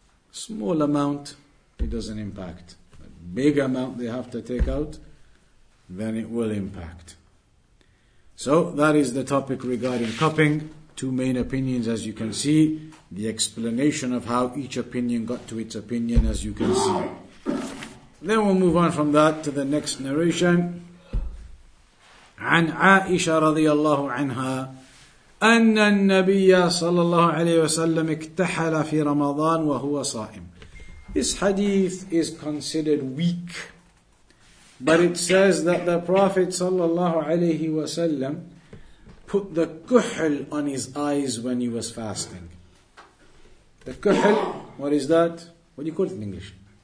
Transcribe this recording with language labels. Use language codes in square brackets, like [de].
[en] Small amount, it doesn't impact. But big amount they have to take out, then it will impact. So that is the topic regarding cupping. Two main opinions, as you can see. The explanation of how each opinion got to its opinion, as you can see. Then we'll move on from that to the next narration. [ar] عن عائشة رضي الله عنها أن النبي صلى الله عليه وسلم اكتحل في رمضان وهو صائم. [en] This hadith is considered weak. But it says that the Prophet sallallahu alayhi wa sallam put the kuhl on his eyes when he was fasting. The kuhl, what is that? What do you call it in English?